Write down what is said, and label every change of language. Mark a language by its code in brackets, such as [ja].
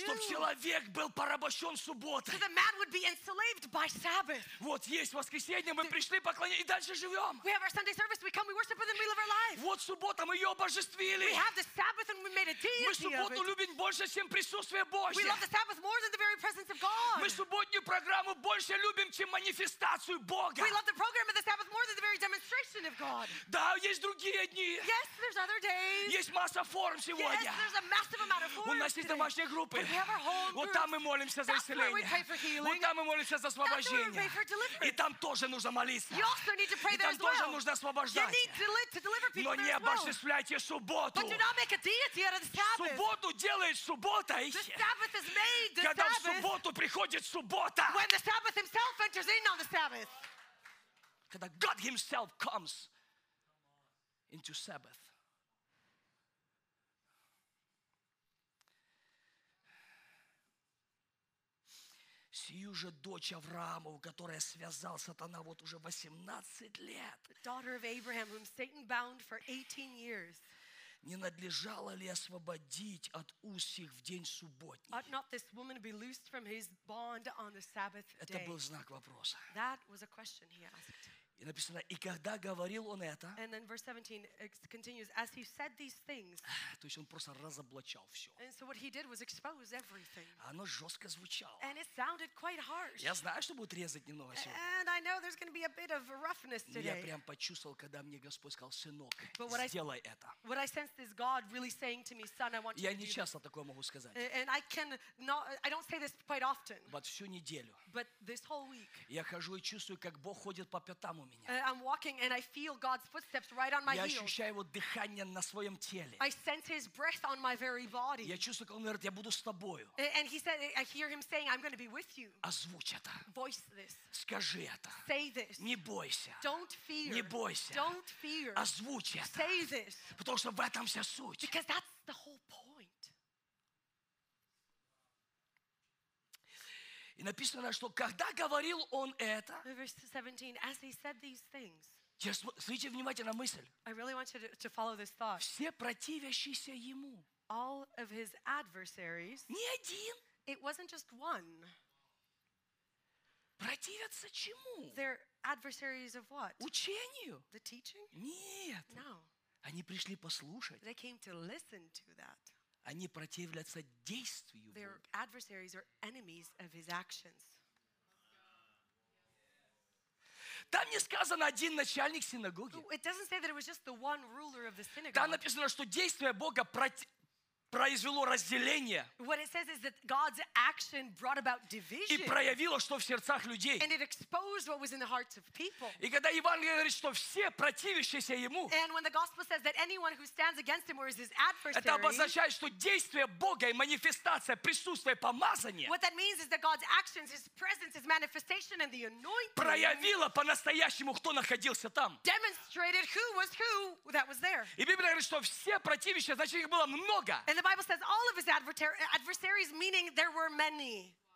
[ru] Чтобы человек был порабощен субботой. [en] So the man would be enslaved by Sabbath. [ru] Вот есть воскресенье, мы пришли поклонились и дальше живем. [en] We have our Sunday service, we come, we worship, and then we live our life. [ru] Вот суббота, мы ее обожествили. [en] We have the Sabbath and we made a deity of it. [ru] Мы субботу любим больше, чем присутствие Божье. [en] We love the Sabbath more than the very presence of God. [ru] Мы субботнюю программу больше любим, чем манифестацию Бога. [en] We love the program of the Sabbath more than the very demonstration of God. [ru] Да, есть другие дни. [en] Yes, there's other days. [ru] Есть масса форм сегодня. [en] Yes, there's a massive amount of forms. [ru] У нас есть домашние группы. [en] We have our home groups. [ru] Вот там мы молимся за исцеление. [en] That's where we pray for healing. [ru] Вот там мы молимся за освобождение. [en] That's where we pray for deliverance. [ru] И там тоже нужно молиться. [en] You also need to pray there as well. [ru] И там тоже нужно освобождать. [en] You need to deliver people there as well. [ru] Но не обожествляйте субботу. [en] But do not make a deity out of the Sabbath. [ru] Субботу делает субботой. [en] The Sabbath is made the Sabbath. [ru] Когда в субботу приходит суббота. [en] When the Sabbath himself enters in on the Sabbath. [ru] Когда [en] God himself comes into Sabbath. [ru] Сию же дочь Авраамову, которая связал сатана вот уже 18 лет. [en] The daughter of Abraham, whom Satan bound for 18 years. [ru] Не надлежало ли освободить от уз сих в день субботний? [en] Ought not this woman be loosed from his bond on the Sabbath day? [ru] Это был знак вопроса. [en] That was a question he asked. [ru] И написано, и когда говорил он это, [en] and then verse 17 continues, as he said these things, [ru] то есть он просто разоблачал все. [en] And so what he did was expose everything. [ru] Оно жестко звучало. [en] And it sounded quite harsh. [ru] Я знаю, что будет резать немного сегодня. [en] And I know there's going to be a bit of roughness today. [ru] Я прям почувствовал, когда мне Господь сказал, сынок, сделай это. [en] What I sensed is God really saying to me, son, I want you [ru] я [en] to do this. [ru] Я не часто такое могу сказать. [en] And I can not, I don't say this quite often. But [ru] всю неделю. [en] But this whole week. [ru] Я хожу и чувствую, как Бог ходит по пятам. [en] I'm walking and I feel God's footsteps right on my heels. [ru] Я ощущаю его дыхание на своем теле. [en] I sense his breath on my very body. [ru] Я чувствую, как он говорит, я буду с тобою. [en] And he said, I hear him saying, I'm going to be with you. [ru] Озвучь это. [en] Voice this. [ru] Скажи это. [en] Say this. [ru] Не бойся. [en] Don't fear. [ru] Не бойся. [en] Don't fear. [ru] Озвучь это. [en] Say this. [ru] Потому что в этом вся суть. [en] Because that's the whole point. [ru] И написано, что когда говорил он это, [en] verse 17, as he said these things, [ru] смотрите внимательно мысль. [en] I really want you to follow this thought. [ru] Все противящиеся ему. [en] All of his adversaries. [ru] Не один. [en] It wasn't just one. [ru] Противятся чему? [en] They're adversaries of what? [ru] Учению. [en] The teaching? [ru] Нет. [en] No. [ru] Они пришли послушать. [en] They came to listen to that. [ru] Они противляются действию Бога. [en] They're adversaries or enemies of his actions. [ru] Там не сказано один начальник синагоги. [en] It doesn't say that it was just the one ruler of the synagogue. [ru] Там написано, что действие Бога произвело разделение. [en] What it says is that God's action brought about division. [ru] И проявило, что в сердцах людей. [en] And it exposed what was in the hearts of people. [ru] И когда Евангелие говорит, что все противящиеся ему. [en] And when the gospel says that anyone who stands against him or is his adversary. [ru] Это обозначает, что действие Бога и манифестация присутствия помазания. [en] What that means is that God's actions, his presence, his manifestation and the anointing. [ru] Проявило по-настоящему, кто находился там. [en] Demonstrated who was who that was there. [ru] И Библия говорит, что все противящиеся, значит их было много. [en] And the Bible says all of his adversaries, meaning there were many.